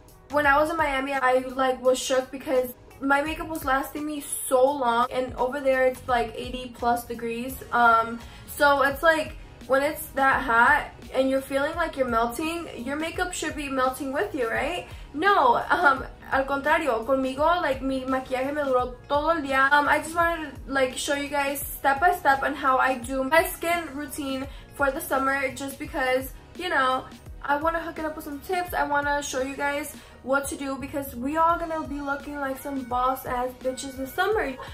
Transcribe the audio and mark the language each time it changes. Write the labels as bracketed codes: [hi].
[en] When I was in Miami, I like was shook because my makeup was lasting me so long, and over there it's like 80 plus degrees. So it's like when it's that hot and you're feeling like you're melting, your makeup should be melting with you, right? [es] No, al contrario, conmigo, like, mi maquillaje me duró todo el día. [en] I just wanted to, like, show you guys step by step on how I do my skin routine for the summer, just because, you know, I want to hook it up with some tips. I want to show you guys what to do, because we all gonna be looking like some boss ass bitches this summer.